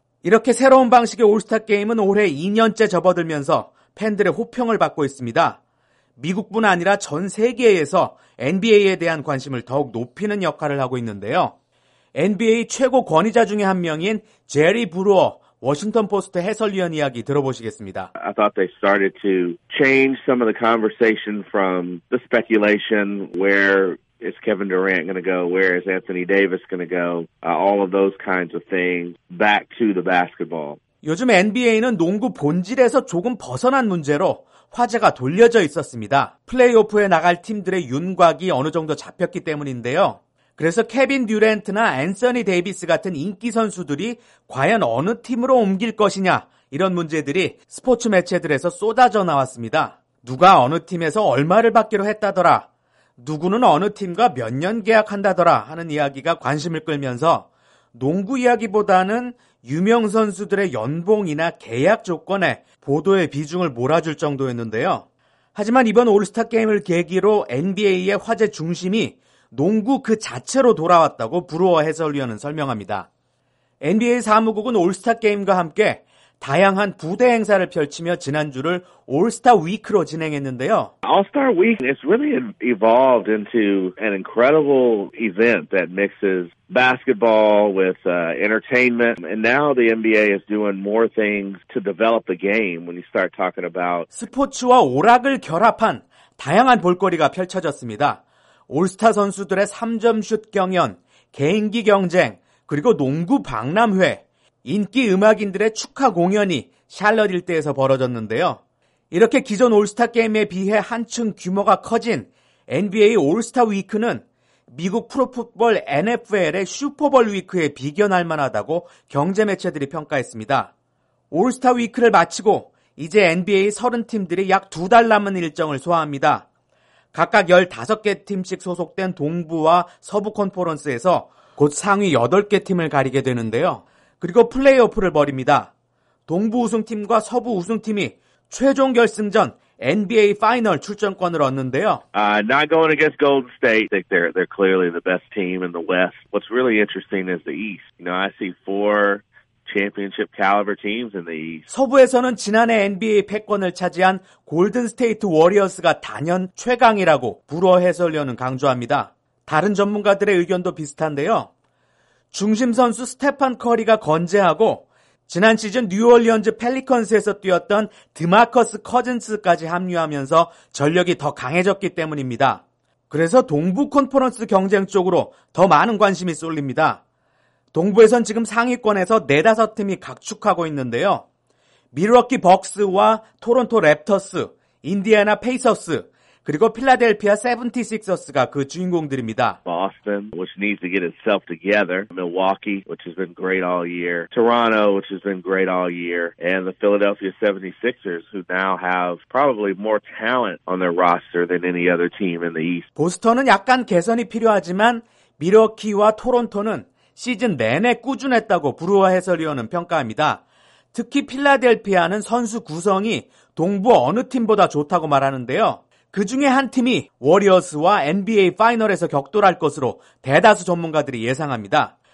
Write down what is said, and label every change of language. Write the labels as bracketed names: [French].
[Korean] 이렇게 새로운 방식의 올스타 게임은 올해 2년째 접어들면서 팬들의 호평을 받고 있습니다. 미국뿐 아니라 전 세계에서 NBA에 대한 관심을 더욱 높이는 역할을 하고 있는데요. NBA 최고 권위자 중에 한 명인 제리 브루어 워싱턴 포스트 해설위원 이야기 들어보시겠습니다. [English] I thought they started to change some of the conversation from the speculation where is Kevin Durant going to go, where is Anthony Davis going to go, all of those kinds of things back to the basketball. [Korean] 요즘 NBA는 농구 본질에서 조금 벗어난 문제로 화제가 돌려져 있었습니다. 플레이오프에 나갈 팀들의 윤곽이 어느 정도 잡혔기 때문인데요. 그래서 케빈 듀렌트나 앤서니 데이비스 같은 인기 선수들이 과연 어느 팀으로 옮길 것이냐 이런 문제들이 스포츠 매체들에서 쏟아져 나왔습니다. 누가 어느 팀에서 얼마를 받기로 했다더라, 누구는 어느 팀과 몇 년 계약한다더라 하는 이야기가 관심을 끌면서 농구 이야기보다는 유명 선수들의 연봉이나 계약 조건에 보도의 비중을 몰아줄 정도였는데요. 하지만 이번 올스타 게임을 계기로 NBA의 화제 중심이 농구 그 자체로 돌아왔다고 브루어 해설위원은 설명합니다. NBA 사무국은 올스타 게임과 함께 다양한 부대 행사를 펼치며 지난주를 올스타 위크로 진행했는데요. [English] All-Star Week has really evolved into an incredible event that mixes basketball with entertainment. And now the NBA is doing more things to develop the game when you start talking about [Korean] 스포츠와 오락을 결합한 다양한 볼거리가 펼쳐졌습니다. 올스타 선수들의 3점 슛 경연, 개인기 경쟁, 그리고 농구 박람회, 인기 음악인들의 축하 공연이 샬럿 일대에서 벌어졌는데요. 이렇게 기존 올스타 게임에 비해 한층 규모가 커진 NBA 올스타 위크는 미국 프로풋볼 NFL의 슈퍼볼 위크에 비견할 만하다고 경제 매체들이 평가했습니다. 올스타 위크를 마치고 이제 NBA 30팀들이 약 두 달 남은 일정을 소화합니다. 각각 15개 팀씩 소속된 동부와 서부 콘퍼런스에서 곧 상위 8개 팀을 가리게 되는데요. 그리고 플레이오프를 벌입니다. 동부 우승팀과 서부 우승팀이 최종 결승전 NBA 파이널 출전권을 얻는데요. [English] Not going against Golden State. They're clearly the best team in the West. What's really interesting is the East. You know, I see four championship caliber teams in the East. [Korean] 서부에서는 지난해 NBA 패권을 차지한 골든 스테이트 워리어스가 단연 최강이라고 브루어 해설위원은 강조합니다. 다른 전문가들의 의견도 비슷한데요. 중심 선수 스테판 커리가 건재하고 지난 시즌 뉴올리언즈 펠리컨스에서 뛰었던 드마커스 커즌스까지 합류하면서 전력이 더 강해졌기 때문입니다. 그래서 동부 콘퍼런스 경쟁 쪽으로 더 많은 관심이 쏠립니다. 동부에선 지금 상위권에서 4-5 팀이 각축하고 있는데요. 밀워키 벅스와 토론토 랩터스, 인디애나 페이서스, 그리고 필라델피아 세븐티식서스가 그 주인공들입니다. [English] Boston, which needs to get itself together. Milwaukee, which has been great all year. Toronto, which has been great all year. And the Philadelphia 76ers, who now have probably more talent on their roster than any other team in the East. [Korean] 보스턴은 약간 개선이 필요하지만 밀워키와 토론토는 시즌 내내 꾸준했다고 브루어 해설위원은 평가합니다. 특히 필라델피아는 선수 구성이 동부 어느 팀보다 좋다고 말하는데요. 그 중에 한 팀이 워리어스와 NBA 파이널에서 격돌할 것으로 대다수 전문가들이 예상합니다.